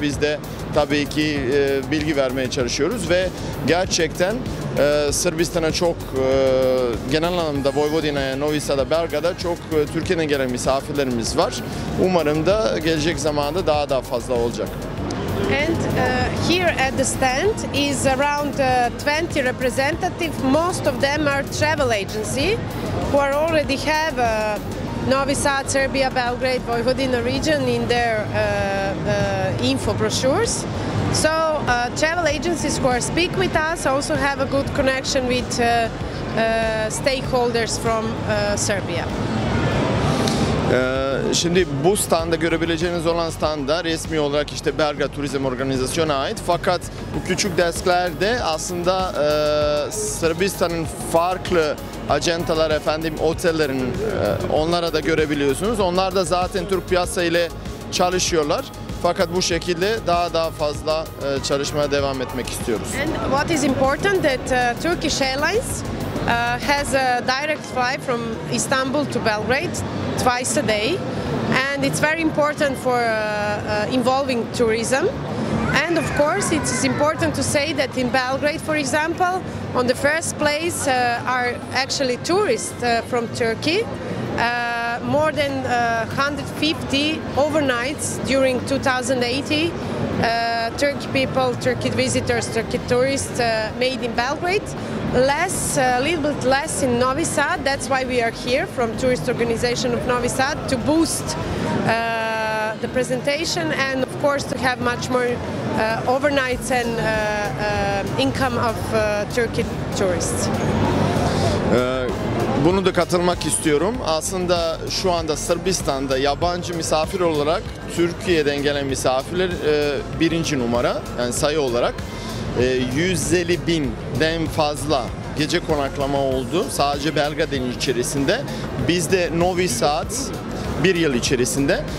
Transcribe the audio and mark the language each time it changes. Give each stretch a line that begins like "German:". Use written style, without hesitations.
Turkish: Biz de tabii ki bilgi vermeye çalışıyoruz ve gerçekten Sırbistan'a çok, genel anlamda Vojvodina'ya, Novi Sad'a, Belgrad'a çok Türkiye'den gelen misafirlerimiz var. Umarım da gelecek zamanda daha fazla olacak.
English: And here at the stand is around 20 representatives. Most of them are travel agency who are already have Novi Sad, Serbia, Belgrade, Vojvodina region in their info brochures. So travel agencies who are speak with us also have a good connection with stakeholders from Serbia.
Turkish: Şimdi bu standa görebileceğiniz olan standa resmi olarak işte Belgrad Turizm Organizasyonu'na ait. Fakat bu küçük desklerde aslında Sırbistan'ın farklı ajantalar, efendim otellerin, onlara da görebiliyorsunuz. Onlar da zaten Türk piyasa ile çalışıyorlar. Fakat bu şekilde daha fazla çalışmaya devam etmek istiyoruz.
English: And what is important that Turkish Airlines has a direct flight from Istanbul to Belgrade twice a day, and it's very important for involving tourism. And of course it is important to say that in Belgrade, for example, on the first place are actually tourists from Turkey. more than 150 overnights during 2018. Turkey people, Turkey visitors, Turkey tourists made in Belgrade. A little bit less in Novi Sad. That's why we are here from Tourist Organization of Novi Sad to boost the presentation and of course to have much more overnights and income of Turkey tourists.
Turkish: Bunu da katılmak istiyorum. Aslında şu anda Sırbistan'da yabancı misafir olarak Türkiye'den gelen misafirler birinci numara, yani sayı olarak 150 binden fazla gece konaklama oldu. Sadece Belgrad'ın içerisinde. Bizde Novi Sad bir yıl içerisinde.